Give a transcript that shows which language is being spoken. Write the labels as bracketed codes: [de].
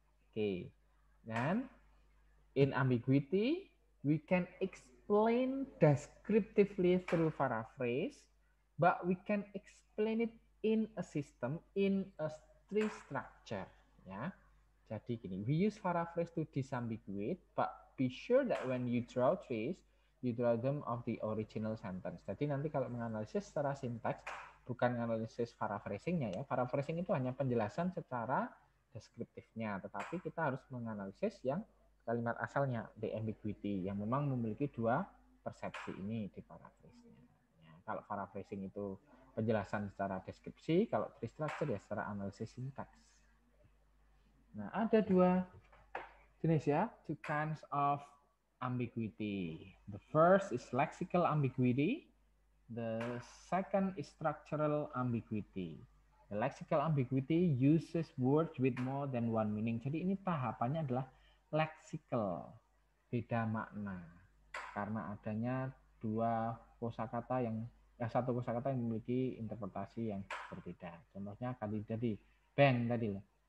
[en] Okay, then in ambiguity, we can explain descriptively through paraphrase, but we can explain it in a system, in a tree structure, ya. Yeah. [id] Jadi gini, [en] we use paraphrase to disambiguate, but be sure that when you draw trees, you draw them of the original sentence. [id] Jadi nanti kalau menganalisis secara sintaks, bukan analisis paraphrasing-nya ya. Paraphrasing itu hanya penjelasan secara deskriptifnya, tetapi kita harus menganalisis yang kalimat asalnya, the ambiguity, yang memang memiliki dua persepsi ini di paraphrase-nya. Ya, kalau paraphrasing itu penjelasan secara deskripsi, kalau tree structure ya secara analisis sintaks. Nah, ada dua jenis ya, [en] two kinds of ambiguity. The first is lexical ambiguity. The second is structural ambiguity. The lexical ambiguity uses words with more than one meaning. [id] Jadi ini tahapannya adalah lexical, beda makna. Karena adanya dua kosakata yang, ya satu kosakata yang memiliki interpretasi yang berbeda. Contohnya kali tadi, bang tadi lah.